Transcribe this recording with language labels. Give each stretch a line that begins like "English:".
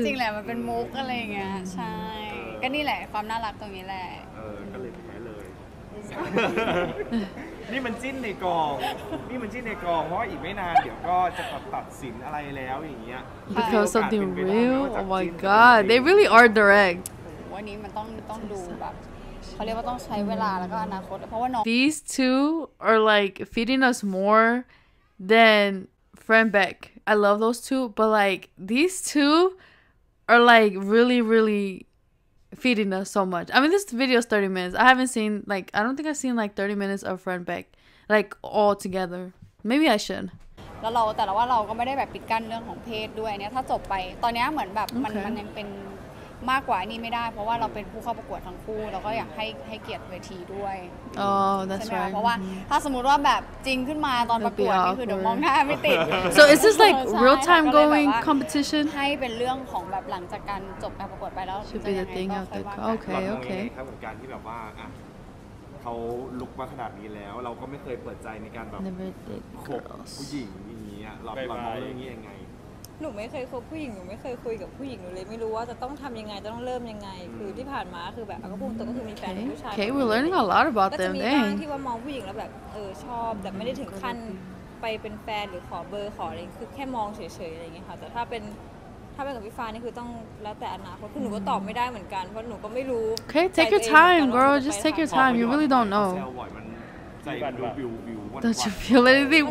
Thai: จริงๆแหละมันเป็นมุกอะไรเงี้ยใช่ก็นี่แหละความน่ารักตรงนี้แหละ เออก็เลยแพ้เลยนี่มันจิ้นในกองนี่มันจิ้นในกองเพราะอีกไม่นานเดี๋ยวก็จะตัดสินอะไรแล้วอย่างเงี้ย
English: because of the real oh my god they really are direct
Thai: วันนี้มันต้องดูแบบเขาเรียกว่าต้องใช้เวลาแล้วก็อนาคตเพราะว่าน้อง
English: These two are like feeding us more than Fran Beck. I love those two, but like these two are like really, really feeding us so much. I mean, this video is 30 minutes. I haven't seen like I don't think I've seen like 30 minutes of Fran Beck like all together. Maybe I should.
Thai: แล้วเราแต่ละว่าเราก็ไม่ได้แบบปิดกั้นเรื่องของเพศด้วยเนี่ยถ้าจบไปตอนนี้เหมือนแบบ okay. มันยังเป็นมากกว่านี้ไม่ได้เพราะว่าเราเป็นผู้เข้าประกวดทั้งคู่เราก็อยากให้เกียรติเวทีด้วย
English: อ๋อ that's right
Thai: เพราะว่าถ้าสมมติว่าแบบจริงขึ้นมาตอนประกวดนี่คือเดี๋ยวมองหน้าไม่ติด
English: so is this like real time going competition
Thai: ให้เป็นเรื่องของแบบหลังจากการจบการประกวดไปแล้ว จะยังไงก็ค่อยว่ากันโอเคโอเค ครับการที่แบบว่าอะเขาลุกมาขนาดนี้แล้วเราก็ไม่เคยเปิดใจในการแบบคบผู้หญิงอย่างนี้เรามองเรื่องนี้ยังไง หนูไม่เคยคบผู้หญิงหนูไม่เคยคุยกับผู้หญิงหนูเลยไม่รู้ว่าจะต้องทำยังไงจะต้องเริ่มยังไงคือที่ผ่านมาคือแบบก็พูดตรงก็คือมีแฟนผู้ชาย
English: โอเค we're learning a lot about them
Thai: ก็จะมีบ้างที่ว่ามองผู้หญิงแล้วแบบเออชอบแต่ไม่ได้ถึงขั้นไปเป็นแฟนหรือขอเบอร์ขออะไรคือแค่มองเฉยๆอะไรเงี้ยค่ะแต่ถ้าเป็นกับพี่ฟ้านี่คือต้องแล้วแต่อนาคตคือหนูก็ตอบไม่ได้เหมือนกันเพราะหนูก็ไม่รู้
English: okay take your time girl just take your time you really don't knowDon't you feel anything?